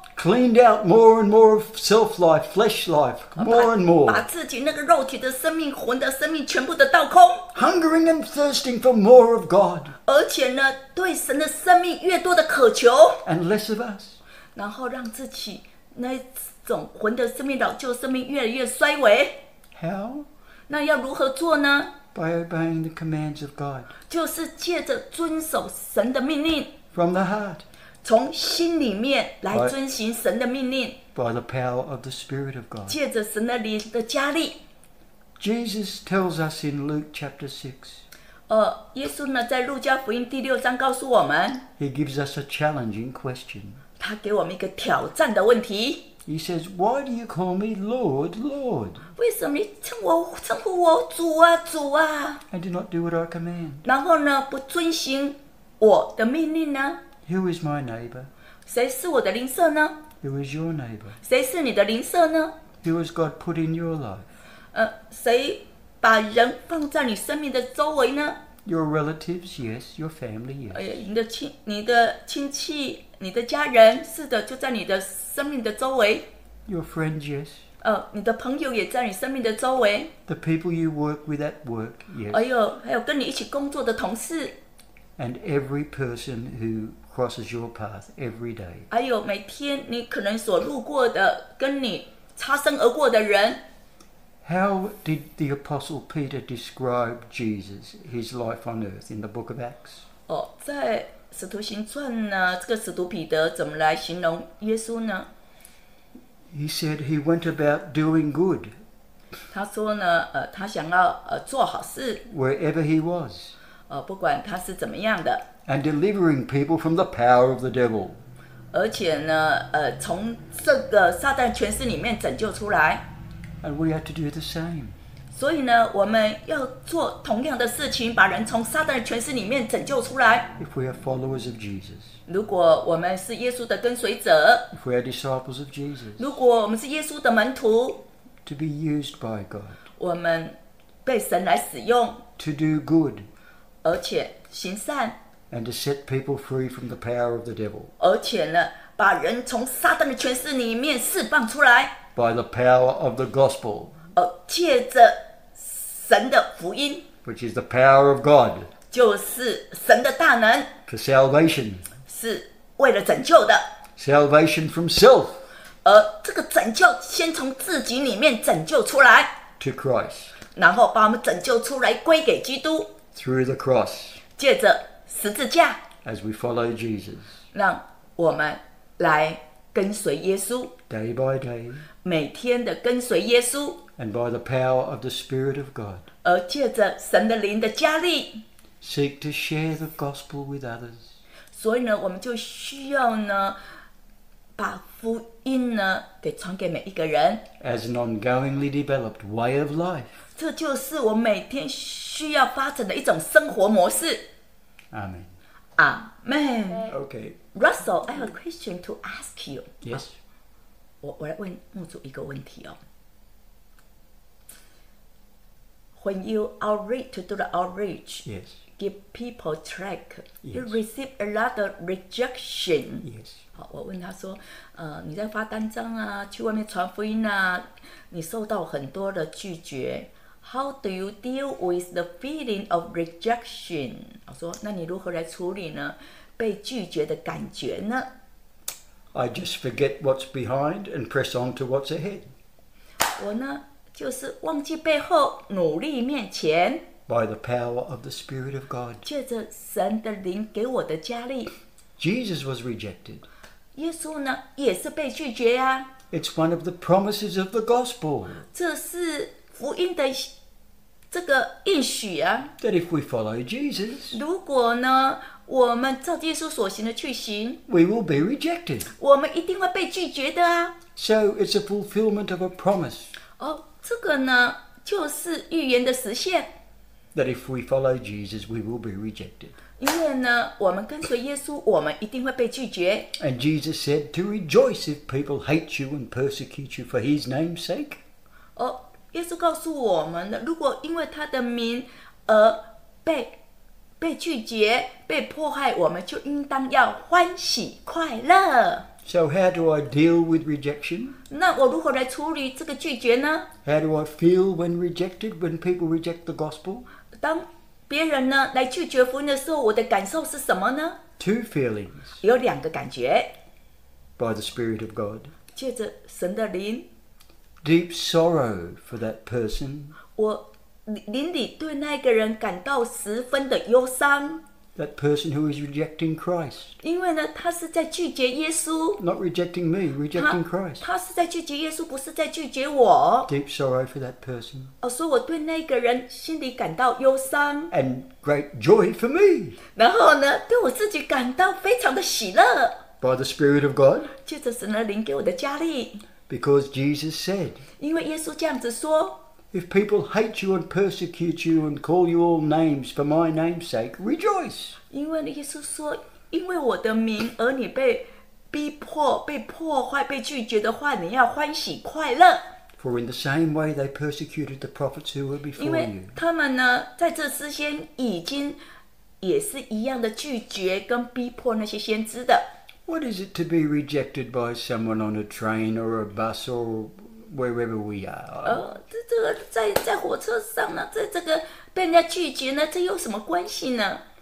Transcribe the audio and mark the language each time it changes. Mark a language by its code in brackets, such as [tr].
[en] Cleaned out more and more of self life, flesh life, more and more. [zh] 把自己那个肉体的生命、魂的生命全部的倒空。 [en] Hungering and thirsting for more of God. [zh] 而且呢，对神的生命越多的渴求。 [en] And less of us. [zh] 然后让自己那种魂的生命、老旧生命越来越衰微。 [en] How? [zh] 那要如何做呢？ [en] By obeying the commands of God. [zh] 就是借着遵守神的命令。 [en] From the heart. [zh] 从心里面来遵行神的命令 [en] by the power of the Spirit of God. [zh] 借着神的灵的加力 [en] Jesus tells us in Luke chapter 6 [zh] 耶稣呢在路加福音第六章告诉我们 [en] He gives us a challenging question. [zh] 他给我们一个挑战的问题 [en] He says, why do you call me Lord, Lord? [zh] 为什么你称呼我主啊主啊 [en] And do not do what I command. [zh] 然后呢不遵行我的命令呢 [en] Who is my neighbor? [zh] 谁是我的邻舍呢 [en] Who is your neighbor? [zh] 谁是你的邻舍呢 [en] Who has God put in your life? [zh] 谁把人放在你生命的周围呢？ [en] Your relatives, yes. Your family, yes. [zh] 你的亲戚，你的家人，是的，就在你的生命的周围。 [en] Your friends, yes. [zh] 你的朋友也在你生命的周围。 [en] The people you work with at work, yes. [zh] 还有跟你一起工作的同事。 [en] And every person who crosses your path every day. [zh] 还有每天你可能所路过的，跟你擦身而过的人。 [en] How did the Apostle Peter describe Jesus, his life on earth, in the book of Acts? [zh] 在《使徒行传》呢，这个使徒彼得怎么来形容耶稣呢？ [en] He said he went about doing good. [zh] 他说呢，他想要做好事。 [en] Wherever he was. [zh] 不管他是怎么样的。 [en] And delivering people from the power of the devil. [zh] 而且呢，从这个撒旦权势里面拯救出来。 [en] And we have to do the same. [zh] 所以呢，我们要做同样的事情，把人从撒旦的权势里面拯救出来。 [en] If we are followers of Jesus. [zh] 如果我们是耶稣的跟随者。 [en] If we are disciples of Jesus. [zh] 如果我们是耶稣的门徒。 [en] To be used by God. [zh] 我们被神来使用。 [en] To do good. [zh] 而且行善。 [en] And to set people free from the power of the devil. [zh] 而且呢，把人从撒旦的权势里面释放出来。 [en] By the power of the gospel, [zh] 借着神的福音 [en] which is the power of God, [zh] 就是神的大能 [en] for salvation, [zh] 是为了拯救的 [en] salvation from self, [zh] 这个拯救先从自己里面拯救出来 [en] to Christ, [zh] 然后把我们拯救出来归给基督 [en] through the cross, [zh] 借着十字架 [en] as we follow Jesus, [zh] 让我们来跟随耶稣 [en] day by day, [zh] 每天的跟随耶稣 [en] and by the power of the Spirit of God, [zh] 而借着神的灵的加力 [en] seek to share the gospel with others. [zh] 所以呢，我们就需要呢，把福音呢给传给每一个人 [en] as an ongoingly developed way of life. [zh] 这就是我每天需要发展的一种生活模式 [en] Amen. Amen. Okay. Russell, I have a question to ask you. Yes. [zh] 我来问牧主一个问题哦。 [en] When you outreach to do the outreach, yes. give people track, yes. you receive a lot of rejection. Yes. [zh] 好，我问他说，你在发单张啊，去外面传福音啊，你受到很多的拒绝。 [en] How do you deal with the feeling of rejection? [zh] 我说，那你如何来处理呢？被拒绝的感觉呢 [en] I just forget what's behind and press on to what's ahead. [zh] 我呢就是忘记背后努力面前 [en] By the power of the Spirit of God. [zh] 借着神的灵给我的加力 [en] Jesus was rejected. [zh] 耶稣呢也是被拒绝啊 [en] It's one of the promises of the gospel. [zh] 这是福音的这个应许啊 [en] That if we follow Jesus. [zh] 如果呢我们照耶稣所行的去行 [en] We will be rejected. [zh] 我们一定会被拒绝的啊 [en] So it's a fulfillment of a promise. [zh] 这个呢就是预言的实现 [en] That if we follow Jesus, we will be rejected. [zh] 因为呢我们跟随耶稣我们一定会被拒绝 [en] And Jesus said to rejoice if people hate you and persecute you for his name's sake. [zh] 耶稣告诉我们如果因为他的名而被拒绝被迫害我们就应当要欢喜快乐 [en] So how do I deal with rejection? [zh] 那我如何来处理这个拒绝呢 [en] How do I feel when rejected when people reject the gospel? [zh] 当别人呢来拒绝福音的时候我的感受是什么呢 [en] Two feelings [zh] 有两个感觉 [en] By the Spirit of God [zh] 借着神的灵 [en] Deep sorrow for that person [zh] 我邻里对那个人感到十分的忧伤 [en] That person who is rejecting Christ [zh] 因为呢他是在拒绝耶稣 [en] Not rejecting me, rejecting Christ [zh] 他是在拒绝耶稣不是在拒绝我 [en] Deep sorrow for that person [zh] 所以我对那个人心里感到忧伤 [en] And great joy for me [zh] 然后呢对我自己感到非常的喜乐 [en] By the Spirit of God [zh] 借着神的灵给我的加力 [en] Because Jesus said [zh] 因为耶稣这样子说 [en] If people hate you and persecute you and call you all names for my name's sake, rejoice. [zh] 因为耶稣说，因为我的名而你被逼迫、被破坏、被拒绝的话，你要欢喜快乐。 [en] For For in the same way they persecuted the prophets who were before you. [zh] 因为他们呢，在这之前已经也是一样的拒绝跟逼迫那些先知的。 [en] What is it to be rejected by someone on a train or a bus or wherever we are? [zh] 在火车上呢，在这个被人家拒绝呢，这有什么关系呢？